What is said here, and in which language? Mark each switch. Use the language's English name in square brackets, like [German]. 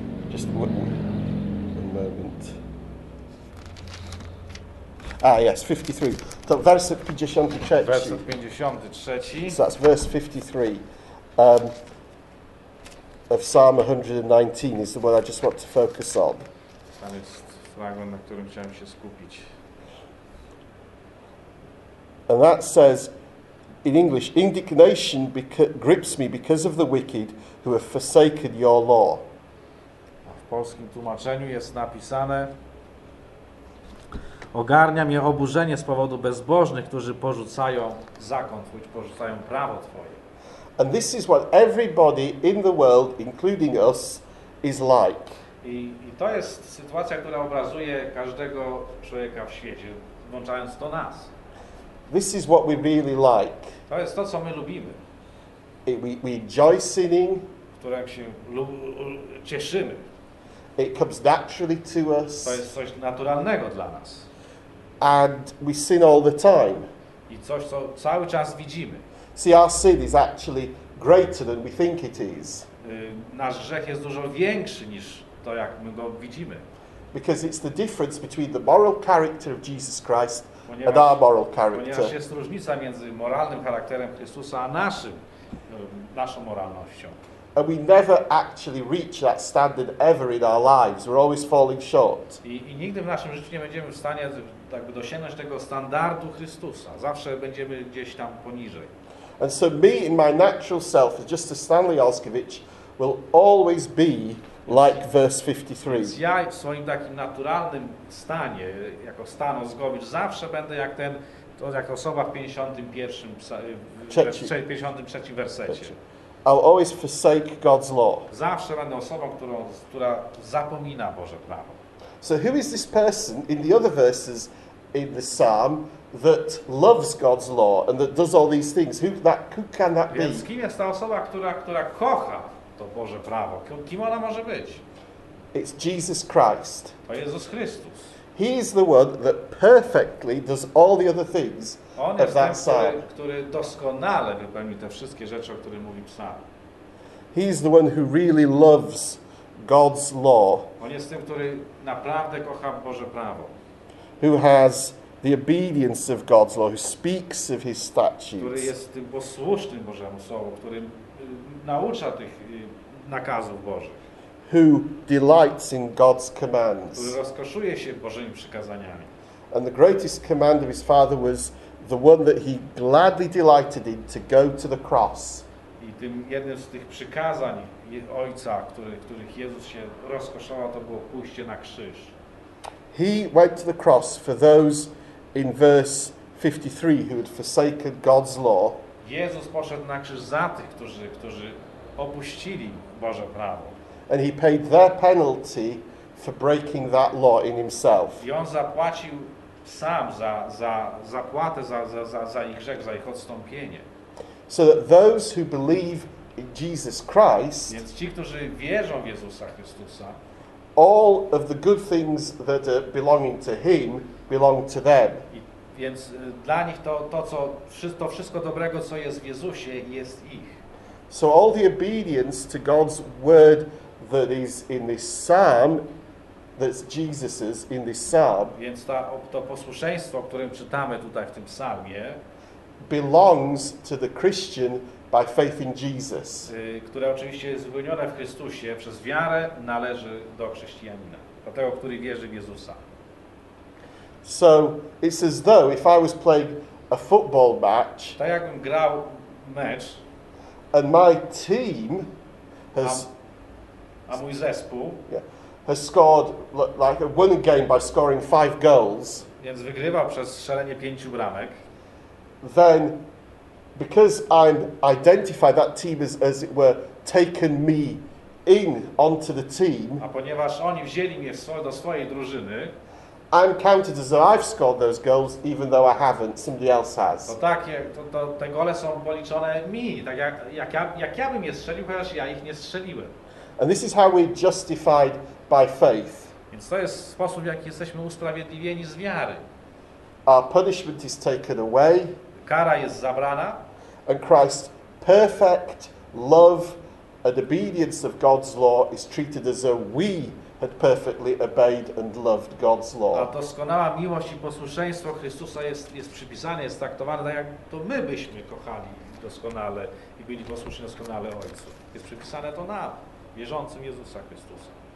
[English] Just one moment. Ah, yes, 53. [Polish] To werset 53. Werset 53. [English] So that's verse 53 of Psalm 119 is the one I just want to focus on. [Polish] Tam jest fragment, na którym chciałem się skupić. [English] And that says, in English, indignation grips me because of the wicked who have forsaken your law. [Polish] A w polskim tłumaczeniu jest napisane... Ogarnia mnie oburzenie z powodu bezbożnych, którzy porzucają zakon Twój, porzucają prawo Twoje. [English] And this is what everybody in the world, including us, is like. [Polish] I to jest sytuacja, która obrazuje każdego człowieka w świecie, włączając to nas. [English] This is what we really like. [Polish] To jest to, co my lubimy. [English] We enjoy sinning. [Polish] Którym się cieszymy. [English] It comes naturally to us. [Polish] To jest coś naturalnego dla nas. [English] And we sin all the time. [Polish] I coś, co cały czas widzimy. [English] See, our sin is actually greater than we think it is. [Polish] Nasz grzech jest dużo większy niż to, jak my go widzimy. [English] Because it's the difference between the moral character of Jesus Christ [Polish] ponieważ, [English] and our moral character. [Polish] Ponieważ jest różnica między moralnym charakterem Chrystusa a naszą moralnością. [English] And we never actually reach that standard ever in our lives. We're always falling short. [Polish] I nigdy w naszym życiu nie będziemy w stanie jakby dosięgnąć tego standardu Chrystusa. Zawsze będziemy gdzieś tam poniżej. [English] And so me in my natural self, just as Stanley Olszkiewicz, will always be like verse 53. [Polish] Ja w swoim takim naturalnym stanie, jako stan Olszkiewicz, zawsze będę jak ten, to jak osoba w 53 wersecie. [English] I'll always forsake God's law. [Polish] Zawsze będę osobą, która zapomina Boże prawo. [English] So who is this person in the other verses in the psalm that loves God's law and that does all these things? Who can that be? [Polish] Więc kim jest ta osoba, która kocha to Boże prawo? Kim ona może być? [English] It's Jesus Christ. [Polish] To Jezus Chrystus. [English] He is the one that perfectly does all the other things [Polish] on [English] of that psalm. [Polish] On jest ten, który doskonale wypełni te wszystkie rzeczy, o których mówi psalm. [English] He is the one who really loves God's law. [Polish] On jest tym, który naprawdę kocha Boże prawo. [English] Who has the obedience of God's law, who speaks of His statutes. [Polish] Który jest tym posłusznym Bożemu Słowu, który naucza tych nakazów Bożych. [English] Who delights in God's commands. [Polish] Który rozkoszuje się Bożymi przykazaniami. [English] And the greatest command of his father was the one that he gladly delighted in, to go to the cross. [Polish] I tym jednym z tych przykazań Ojca, których Jezus się rozkoszował, to było pójście na krzyż. [English] He went to the cross for those in verse 53 who had forsaken God's law. [Polish] Jezus poszedł na krzyż za tych, którzy opuścili Boże prawo. [English] And he paid their penalty for breaking that law in himself. [Polish] I on zapłacił sam za zapłatę za ich grzech, za ich odstąpienie. [English] So that those who believe in Jesus Christ, [Polish] więc ci, którzy wierzą w Jezusa Chrystusa, [English] all of the good things that are belonging to him belong to them. [Polish] Więc dla nich to wszystko dobrego, co jest w Jezusie, jest ich. [English] So all the obedience to God's word that is in this psalm, that's Jesus's in this psalm. [Polish] Więc to posłuszeństwo, o którym czytamy tutaj w tym psalmie, [English] belongs to the Christian by faith in Jesus. [Polish] Które oczywiście jest wypełnione w Chrystusie przez wiarę, należy do chrześcijanina, do tego, który wierzy w Jezusa. [English] So it's as though if I was playing a football match, [Polish] tak jakbym grał mecz, [English] and my team has [Polish] a mój zespół [English] has scored like a winning game by scoring 5 goals. [Polish] Więc wygrywał przez strzelenie 5 bramek. [English] Then, because I'm identified, that team is, as it were, taken me in onto the team. [Polish] A ponieważ oni wzięli mnie do swojej drużyny, [English] I'm counted as though I've scored those goals, even though I haven't. Somebody else has. [Polish] To tak, te gole są policzone mi, tak jak ja bym je strzelił, chociaż ja ich nie strzeliłem. [English] And this is how we're justified by faith. [Polish] Więc to jest sposób, w jaki jesteśmy usprawiedliwieni z wiary. [English] Our punishment is taken away. [Polish] Kara jest zabrana. [English] And Christ's perfect love and obedience of God's law is treated as though we had perfectly obeyed and loved God's law. [Polish] A doskonała miłość i posłuszeństwo Chrystusa jest przypisane, jest traktowane tak, jak to my byśmy kochali doskonale i byli posłuszni doskonale Ojcu. Jest przypisane to nam, wierzącym Jezusa Chrystusa.